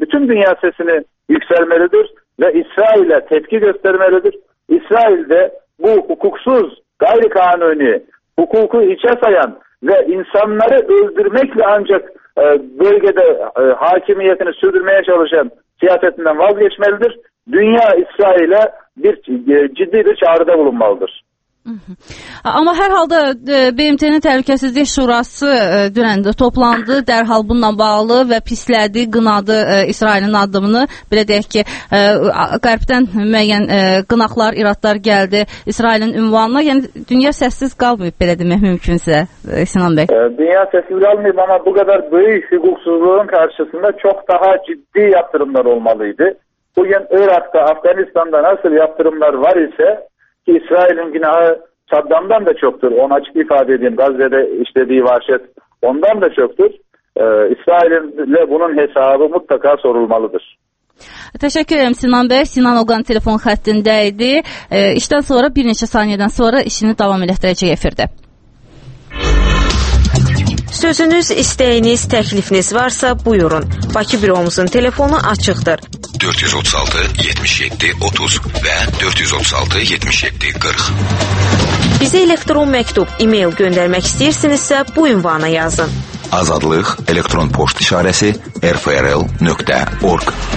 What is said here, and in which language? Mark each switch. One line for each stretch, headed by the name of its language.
Turkish: Bütün dünya sesini yükselmelidir ve İsrail'e tepki göstermelidir. İsrail de bu hukuksuz, gayri kanuni hukuku hiçe sayan ve insanları öldürmekle ancak bölgede hakimiyetini sürdürmeye çalışan siyasetinden vazgeçmelidir. Dünya İsrail'e bir ciddi bir çağrıda bulunmalıdır.
Azerbaijani: Ama her halde BMT'nin Təhlükəsizlik Şurası dünən toplandı, dərhal bununla bağlı və pislədi, qınadı İsrailin adımını. Belə deyək ki, qərbdən müəyyən qınaqlar, iradlar gəldi İsrailin ünvanına. Yəni, dünya səssiz qalmıyıb, belə demək mümkünsə, Sinan bəy. Dünya səssiz qalmıyıb, amma bu qədər böyük hüquqsuzluğun qarşısında çox daha ciddi
Turkish: yaptırımlar olmalıydı. Bugün Irak'da, Afganistan'da nasıl yaptırımlar var isə, ki İsrail'in günahı Saddam'dan da çoktur. Onu açık ifade edeyim. Gazze'de işlediği vahşet ondan da çoktur. İsrail'le bunun hesabı mutlaka sorulmalıdır. Teşekkür ederim Sinan Bey. Sinan Oğan telefon hattındaydı. İşten sonra bir neçe saniyeden sonra işini devam ettirecek efirde. Sözünüz, isteğiniz, teklifiniz varsa buyurun.
Azerbaijani: Bakı büromuzun telefonu açıqdır. 436 77 30 və 436 77 40. Bizə elektron məktub, e-mail göndərmək istəyirsinizsə bu ünvana yazın. Azadlıq elektron poçt işarəsi rfrl.org.